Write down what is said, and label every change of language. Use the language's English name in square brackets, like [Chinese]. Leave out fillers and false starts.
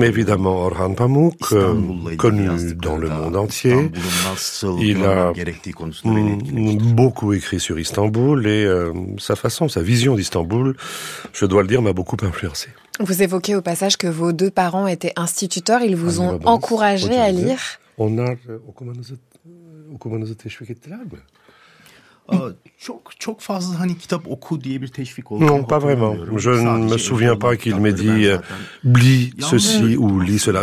[French] Évidemment Orhan Pamuk, connu dans le monde entier. Il a beaucoup écrit sur Istanbul et sa façon, sa vision d'Istanbul, je dois le dire, m'a beaucoup influencé. Vous évoquez au passage que vos deux parents étaient instituteurs, ils vous ont encouragé à lire. [Turkish] Onlar okumanızı teşvik ettiler mi? Çok fazla hani kitap oku diye bir teşvik oldu. [French] Non, pas vraiment. Je ne me souviens pas qu'il m'ait dit lis ceci ou lis cela.